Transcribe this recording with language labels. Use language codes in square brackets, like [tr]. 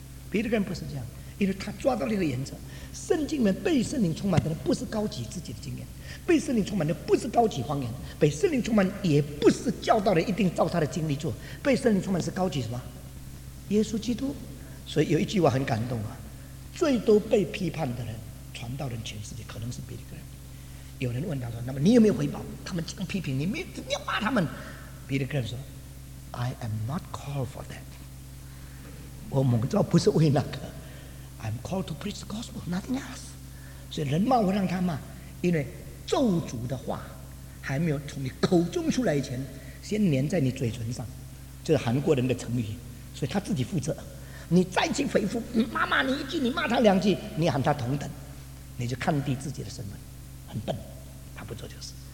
[zh] 彼得根不是这样，因为他抓到了一个原则，圣经里面被圣灵充满的人不是高举自己的经验，被圣灵充满的不是高举谎言，被圣灵充满也不是教导人一定照他的经历做，被圣灵充满是高举什么？耶稣基督。所以有一句话很感动啊，最多被批判的人传道人全世界可能是彼得根。有人问他说，那么你有没有回报他们这样批评你？没，你要骂他们。彼得根说 [en] I am not called for that， [zh] 我蒙召不是为那个， [en] I'm called to preach the gospel, nothing else。 [zh] 所以人骂我让他骂，因为咒诅的话还没有从你口中出来以前先粘在你嘴唇上，这是韩国人的成语，所以他自己负责。你再去回复妈妈你一句，你骂他两句，你喊他同等，你就看低自己的身份，很笨，他不做就是。